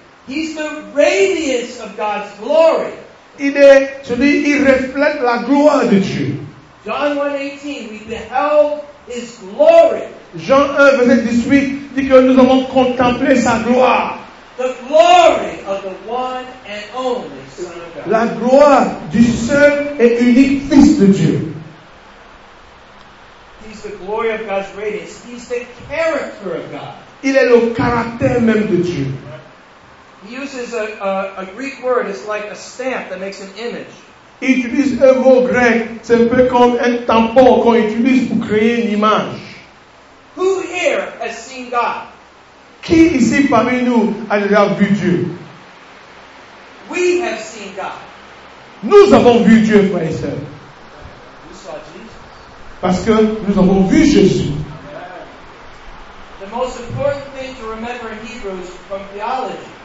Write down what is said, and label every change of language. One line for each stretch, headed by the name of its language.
English: He's the radiance of God's glory.
French: Il reflète la gloire de Dieu.
English: John 1:18, we beheld his glory.
French: Jean 1, verset 18, dit que nous avons contemplé sa gloire.
English: The glory of the one and only Son of God.
French: La gloire du seul et unique Fils de Dieu.
English: He's the glory of God's radiance. He's the character of God.
French: Il est le caractère même de Dieu.
English: He uses a Greek word. It's like a stamp that makes an image.
French: Il utilise un mot grec, c'est un peu comme un tampon qu'on utilise pour créer une image.
English: Who here has seen God?
French: Qui ici parmi nous a déjà vu Dieu?
English: We have seen God.
French: Nous avons vu Dieu, frères et sœurs.
English: We saw Jesus.
French: Parce que nous avons vu Jésus.
English: The most important thing to remember in Hebrews from theology.